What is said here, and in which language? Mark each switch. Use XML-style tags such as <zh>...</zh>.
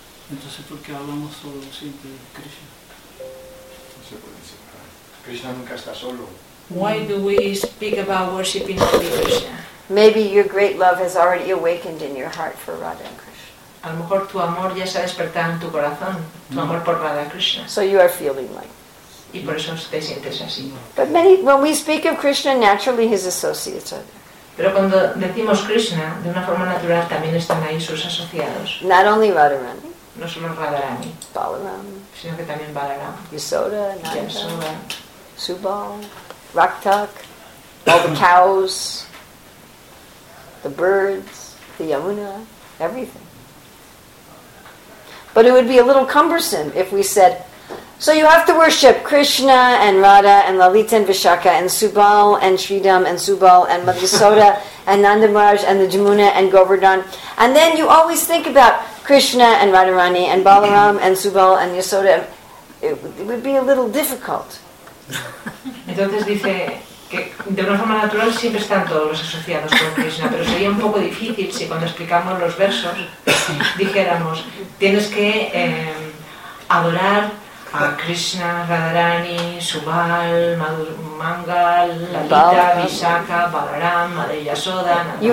<es>Entonces, ¿por qué hablamos solo siempre de Krishna? No se puede decir. Krishna nunca está solo.</es> <en>Why do we speak about worshiping Hare Krishna? Maybe your great love has already awakened in your heart for Radha and Krishna.</en> <es>A lo mejor tu amor ya se ha despertado en tu corazón, tu amor por Radha Krishna.</es> <en>So you are feeling like.</en> <es>Y por eso te sientes así.</es> <en>But many, when we speak of Krishna, naturally his associates are there.</en> <es>Pero cuando decimos Krishna, de una forma natural también están ahí sus asociados.</es> <en>Not only Radharani.</en> <es>No solo Radharani.</es> <en>Balaram.</en> <es>Sino que también Balaram.</es> <en>Yasoda, Nanda, Subal. Raktak, all the cows, the birds, the Yamuna, everything. But it would be a little cumbersome if we said, so you have to worship Krishna and Radha and Lalita and Vishakha and Subal and Sridham and Subal and Madhusoda and Nandamaraj and the Jamuna and Govardhan. And then you always think about Krishna and Radharani and Balaram and Subal and Yasoda. It would be a little difficult.</en> <es>Entonces dice que de una forma natural siempre están todos los asociados con Krishna, pero sería un poco difícil si cuando explicamos los versos dijéramos tienes que adorar a Krishna, Radharani, Subal, Madhur Mangal, Lalita, Vishakha, Balaram, Madre Yasoda.</es>